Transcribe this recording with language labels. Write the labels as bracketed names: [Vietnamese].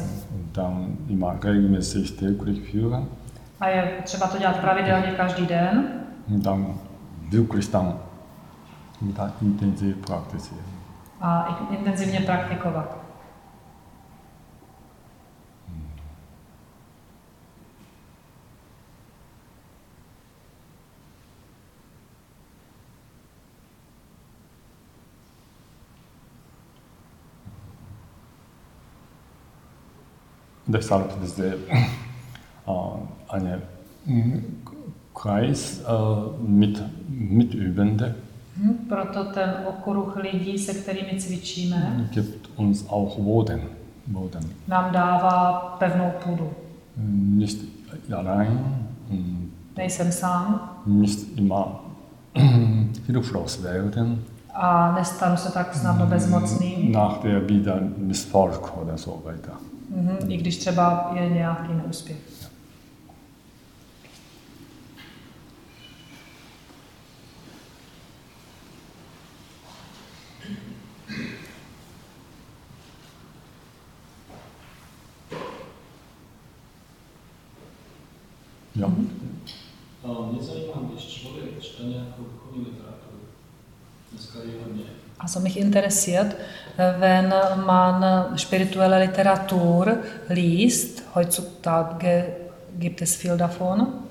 [German] Und dann immer regelmäßig täglich führen. [Czech] A je třeba to dělat pravidelně každý den. [German] Und dann wirklich dann intenziv praktizieren. [Czech] A intenzivně praktikovat. [German] Deshalb diese eine Kreis mit Übende. [Czech] Proto ten okruh lidí, se kterými cvičíme. [German] Gibt uns auch Boden. [Czech] Nám dává pevnou půdu. [German] Nicht allein. [Czech] Nejsem sám. [German] Nicht immer hilflos werden. [Czech] A nestanu se tak snadno bezmocný. [German] Nach der wieder Misserfolg oder so weiter. [Czech] I když třeba je nějaký neúspěch. Jo. Mě zajímá, když člověk čte nějakou duchovní literaturu. Dneska je hodně. A co [German] mich interessiert, wenn man spirituelle Literatur liest, heutzutage gibt es viel davon.